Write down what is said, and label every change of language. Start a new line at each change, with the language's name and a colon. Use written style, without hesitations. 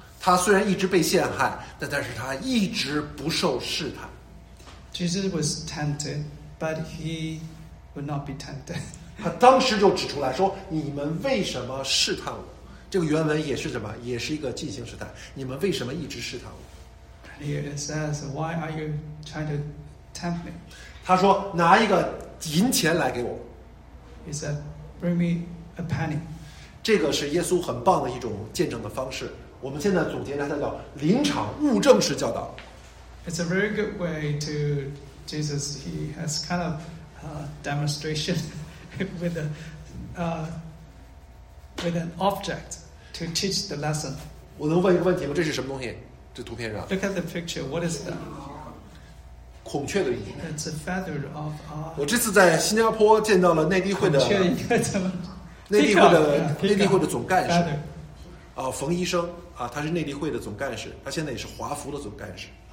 Chinese: 他虽然一直被陷害，但是他一直不受试探。
English: Jesus was tempted, but he would not be tempted.
Chinese: 他当时就指出来说：“你们为什么试探我？” 这个原文也是什么？也是一个进行时态。你们为什么一直试探我
English: ？He says, "Why are you trying to tempt me?"
Chinese: 他说：“拿一个银钱来给我。
English: ”He said, "Bring me a penny."
Chinese: 这个是耶稣很棒的一种见证的方式。我们现在总结来，它叫临场物证式教导。
English: It's a very good way to Jesus. He has kind of demonstration with an object to teach the lesson.
Chinese: 我能问一个问题吗？这是什么东西？这图片上。
English: Look at the picture. What is that?
Chinese: 孔雀的羽。
English: It's a feather of.
Chinese: 我这次在新加坡见到了内地会的。孔雀应该怎么？内地会的总干事，冯医生啊，他是内地会的总干事，他现在也是华福的总干事。